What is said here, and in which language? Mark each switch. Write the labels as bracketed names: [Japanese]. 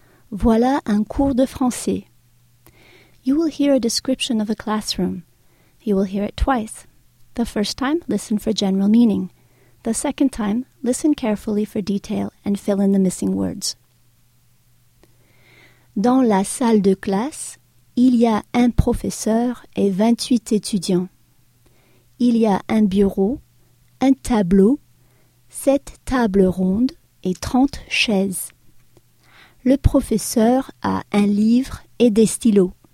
[French] Voilà un cours de français. [English] You will hear a description of a classroom. You will hear it twice. The first time, listen for general meaning. The second time, listen carefully for detail and fill in the missing words. [French] Dans la salle de classe, il y a un professeur et 28 étudiants. Il y a un bureau, un tableau, 7 tables rondes et 30 chaises. Le professeur a un livre et des stylos.